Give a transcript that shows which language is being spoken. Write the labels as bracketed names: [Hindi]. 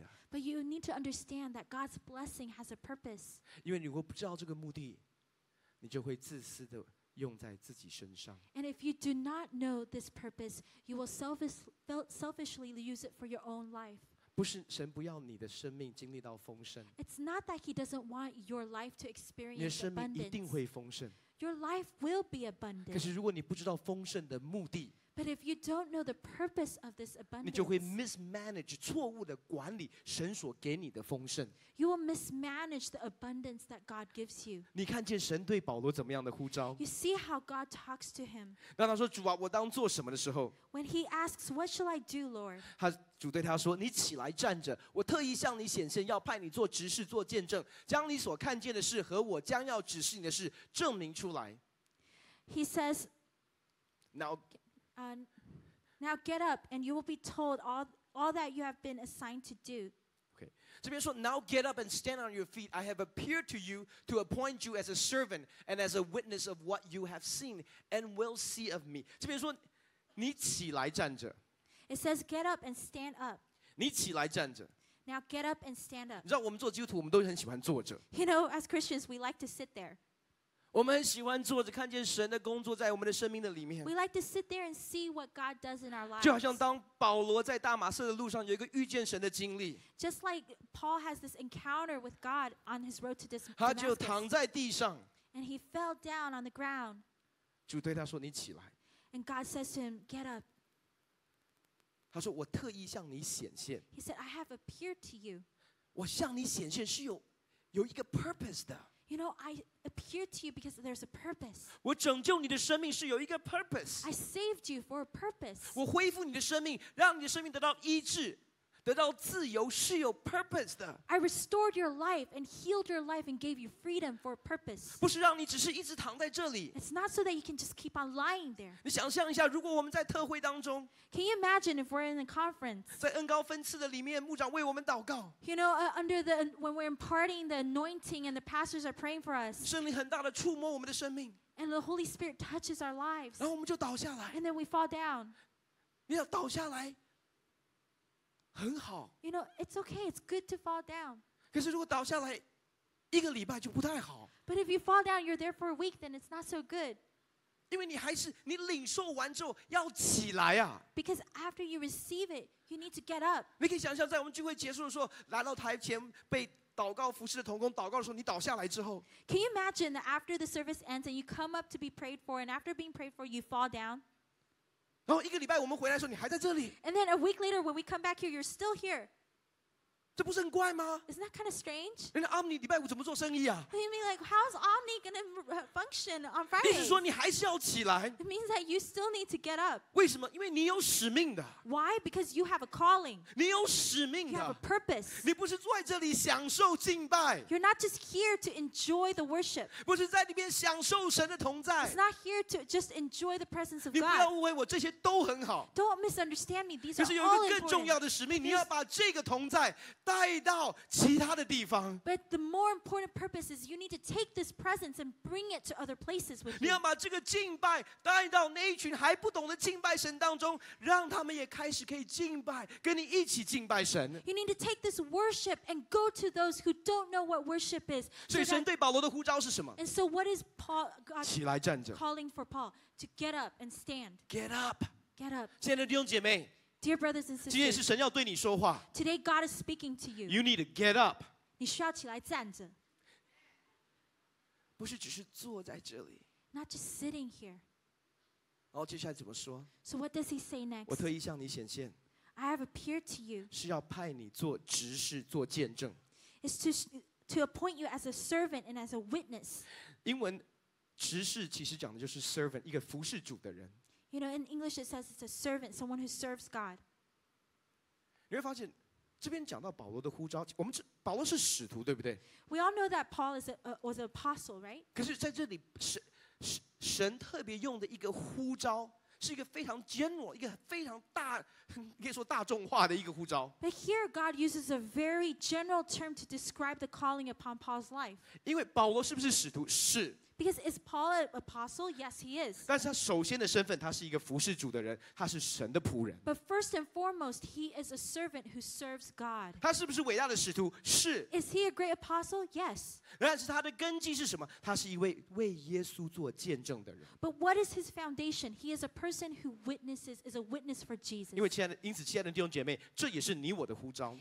[English] but you need to understand that God's blessing has a purpose. [Chinese] 因为你如果不知道这个目的, 你就会自私地用在自己身上。 [English] And if you do not know this purpose, you will selfishly use it for your own life. [Chinese] 不是神不要你的生命经历到丰盛。 [English] It's not that he doesn't want your life to experience abundance. [Chinese] 你的生命一定会丰盛。 [English] Your life will be abundant. [Chinese] 可是如果你不知道丰盛的目的， [English] But if you don't know the purpose of this abundance, [Chinese] 你就会 mismanage 错误的管理神所给你的丰盛。 [English] You will mismanage the abundance that God gives you. [Chinese] 你看见神对保罗怎么样的呼召？ [English] You see how God talks to him. [Chinese] 当他说主啊，我当做什么的时候？ [English] When he asks, "What shall I do, Lord?" [Chinese] 他主对他说，你起来站着，我特意向你显现，要派你做执事，做见证，将你所看见的事和我将要指示你的事证明出来。 [English] He says, Now get up, and you will be told all that you have been assigned to do. Okay. [Chinese] 这边说 [English] Now get up and stand on your feet. I have appeared to you to appoint you as a servant and as a witness of what you have seen and will see of me. [Chinese] 这边说你起来站着。 [English] It says get up and stand up. [Chinese] 你起来站着。 [English] Now get up and stand up. [Chinese] 你知道我们做基督徒我们都很喜欢坐着。 [English] You know, as Christians, we like to sit there. [Chinese] 我们很喜欢坐着看见神的工作在我们的生命的里面。 [English] We like to sit there and see what God does in our lives. [Chinese] 就好像当保罗在大马色的路上有一个遇见神的经历。 [English] Just like Paul has this encounter with God on his road to Damascus. [Chinese] 他就躺在地上。 [English] And he fell down on the ground. [Chinese] 主对他说：“你起来。 [English] ”And God says to him, "Get up." [Chinese] 他说：“我特意向你显现。 [English] ”He said, "I have appeared to you." [Chinese] 我向你显现是有一个 purpose 的。 [English] You know, I appear to you because there's a purpose. [Chinese] 我拯救你的生命是有一个 purpose. [English] I saved you for a purpose. [Chinese] 我恢复你的生命，让你的生命得到医治，得到自由是有 purpose 的。 [English] I restored your life and healed your life and gave you freedom for a purpose. [Chinese] 不是让你只是一直躺在这里。 [English] It's not so that you can just keep on lying there. [Chinese] 你想象一下，如果我们在特会当中 [English] ，Can you imagine if we're in a conference? [Chinese] 在恩高分次的里面，牧长为我们祷告。 [English] You know, under the when we're imparting the anointing and the pastors are praying for us. [Chinese] 圣灵很大的触摸我们的生命。 [English] And the Holy Spirit touches our lives. [Chinese] 然后我们就倒下来。 [English] And then we fall down. [Chinese] 你要倒下来。很好。 [English] You know, it's okay. It's good to fall down. [Chinese] 可是如果倒下来，一个礼拜就不太好。 [English] But if you fall down, you're there for a week, then it's not so good. [Chinese] 因为你还是你领受完之后要起来啊。 [English] Because after you receive it, you need to get up. [Chinese] 你可以想象在我们聚会结束的时候，来到台前被祷告服侍的同工祷告的时候，你倒下来之后。 [English] Can you imagine that after the service ends and you come up to be prayed for, and after being prayed for, you fall down? [Chinese] 然后一个礼拜我们回来的时候，你还在这里。 [English] And then a week later, when we come back here, you're still here. [Chinese] 这不是很怪吗？ [English] Isn't that kind of strange? [Chinese] 那 Omni 礼拜五怎么做生意啊？ [English] You mean like how's Omni gonna function on Friday? [Chinese] 意思说你还是要起来。 [English] It means that you still need to get up. [Chinese] 为什么？因为你有使命的。 [English] Why? Because you have a calling. [Chinese] 你有使命的。 [English] You have a purpose. [Chinese] 你不是坐在这里享受敬拜。 [English] You're not just here to enjoy the worship. [Chinese] 不是在里面享受神的同在。 [English] It's not here to just enjoy the presence of God. [Chinese] 你不要误会我，这些都很好。 [English] Don't misunderstand me. These are all important. [Chinese] 可是有一个更重要的使命，你要把这个同在。带到其他的地方。 [English] But the more important purpose is you need to take this presence and bring it to other places with you. [Chinese] 你要把这个敬拜带到那一群还不懂得敬拜神当中，让他们也开始可以敬拜，跟你一起敬拜神。 [English] You need to take this worship and go to those who don't know what worship is. [Chinese] 所以神对保罗的呼召是什么？ [English] And so what is Paul God [Chinese] 起来站着 [English] calling for Paul to get up and stand. Get up. Get up. [Chinese] 亲爱的弟兄姐妹。 [English] Dear brothers and sisters, [Chinese] 今天是神要对你说话。 [English] Today God is speaking to you. You need to get up. [Chinese] 你需要起来站着。不是只是坐在这里。 [English] Not just sitting here. [Chinese] 然后接下来怎么说？ [English] So what does he say next? [Chinese] 我特意向你显现。 [English] I have appeared to you. [Chinese] 是要派你做执事，做见证。 [English] It's to appoint you as a servant and as a witness. [Chinese] 英文执事其实讲的就是 servant， 一个服侍主的人。 [English] You know, in English it says it's a servant, someone who serves God. [Chinese] 你会发现，这边讲到保罗的呼召，我们保罗是使徒，对不对？ [English] We all know that Paul is was an apostle, right? [Chinese] 可是在这里，神特别用的一个呼召，是一个非常 general， 一个非常大，可以说大众化的一个呼召。 [English] But here God uses a very general term to describe the calling upon Paul's life. [Chinese] 因为保罗是不是使徒？是。 [English] Because is Paul an apostle? Yes, he is. [Chinese] 但是他首先的身份，他是一个服侍主的人，他是神的仆人。 [English] But first and foremost, he is a servant who serves God. [Chinese] 他是不是伟大的使徒？是。 [English] Is he a great apostle? Yes. [Chinese] 但是他的根基是什么？他是一位为耶稣做见证的人。 [English] But what is his foundation? He is a person who witnesses, is a witness for Jesus. [Chinese] 因为亲爱的，因此亲爱的弟兄姐妹，这也是你我的呼召。